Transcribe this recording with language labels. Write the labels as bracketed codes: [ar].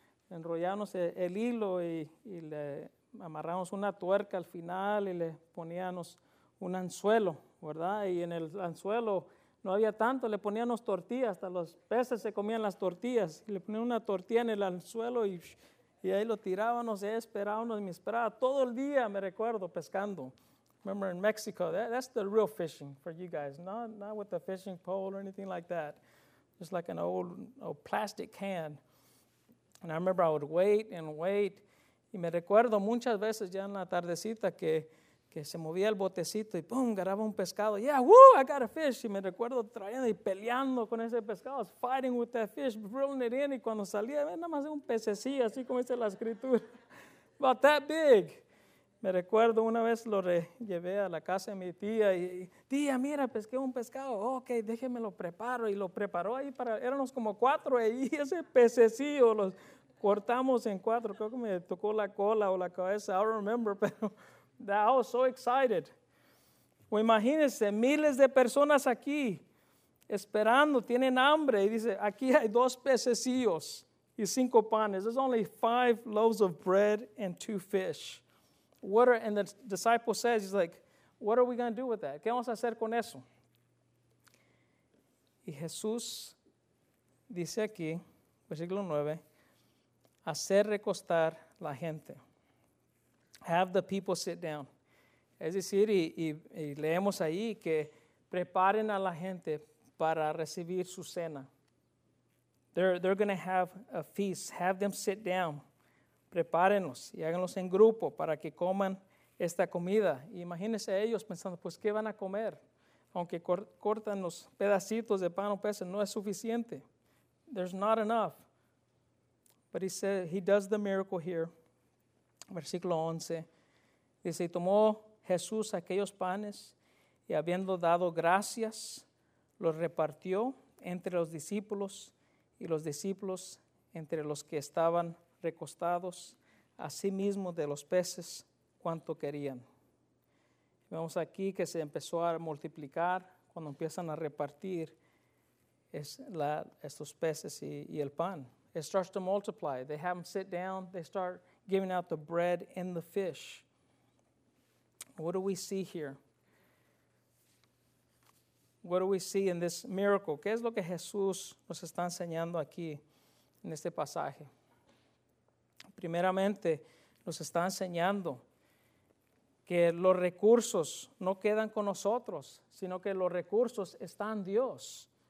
[es] Enrollamos el hilo y le amarramos una tuerca al final y le poníamos un anzuelo, ¿verdad? Y en el anzuelo no había tanto, le poníamos tortillas, hasta los peces se comían las tortillas. Le ponían una tortilla en el anzuelo y ahí lo tirábamos, esperábamos, me esperaba todo el día, me recuerdo, pescando. [en] Remember in Mexico, that's the real fishing for you guys. Not with the fishing pole or anything like that. Just like an old plastic can. And I remember I would wait and wait. [es] Y me recuerdo muchas veces ya en la tardecita que se movía el botecito y boom, agarraba un pescado. [en] Yeah, woo, I got a fish. [es] Y me recuerdo trayendo y peleando con ese pescado. [en] I was fighting with that fish, reeling it in. [es] Y cuando salía, nada más un pececillo, así como dice la escritura. [en] About that big. [es] Me recuerdo una vez lo llevé a la casa de mi tía y tía, mira, pesqué un pescado. Ok, déjeme lo preparo. Y lo preparó ahí para, éramos como 4 ahí, ese pececillo, los cortamos en 4. Creo que me tocó la cola o la cabeza, [en] I don't remember, [es] pero [en] I was so excited. [es] Well, imagínense, miles de personas aquí esperando, tienen hambre. Y dice, aquí hay 2 pececillos y 5 panes. [en] There's only 5 loaves of bread and 2 fish. And the disciple says, he's like, what are we going to do with that? [es] ¿Qué vamos a hacer con eso? Y Jesús dice aquí, versículo 9, hacer recostar la gente. [en] Have the people sit down. [es] Es decir, y leemos ahí que preparen a la gente para recibir su cena. [en] They're going to have a feast. Have them sit down. [es] Prepárenlos y háganlos en grupo para que coman esta comida. Imagínense ellos pensando, pues, ¿qué van a comer? Aunque cortan los pedacitos de pan o peces, no es suficiente. [en] There's not enough. But he does the miracle here. Versículo 11. [es] Dice, y tomó Jesús aquellos panes y habiendo dado gracias, los repartió entre los discípulos y los discípulos entre los que estaban recostados, asimismo de los peces, cuanto querían. Vemos aquí que se empezó a multiplicar, cuando empiezan a repartir estos peces y el pan. [en] It starts to multiply. They have them sit down. They start giving out the bread and the fish. What do we see here? What do we see in this miracle? [es] ¿Qué es lo que Jesús nos está enseñando aquí en este pasaje? Primeramente, nos está enseñando que los recursos no quedan con nosotros, sino que los recursos están en Dios.